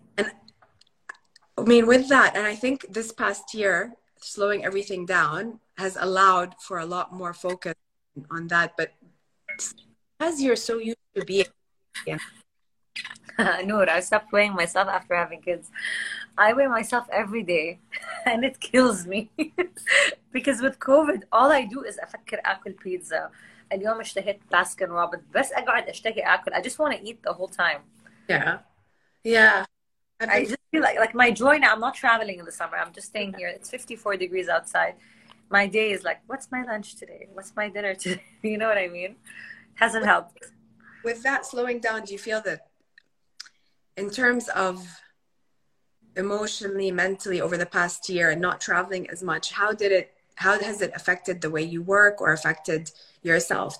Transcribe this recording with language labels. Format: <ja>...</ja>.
<en>And I mean, with that, and I think this past year, slowing everything down has allowed for a lot more focus on that. But as you're so used to being, yeah. Noor, I stopped weighing myself after having kids. I weigh myself every day and it kills me because with COVID, all I do is</en> <ar>أفكر أكل</ar> <en>pizza.</en> <ar>اليوم اشتهيت باسكن روبن بس أقعد اشتهي أكل.</ar> <en>I just want to eat the whole time. Yeah. I just feel like my joy now, I'm not traveling in the summer. I'm just staying here. It's 54 degrees outside. My day is like, what's my lunch today? What's my dinner today? You know what I mean? It hasn't helped. With that slowing down, do you feel that in terms of emotionally, mentally over the past year and not traveling as much, how has it affected the way you work or affected yourself?</en>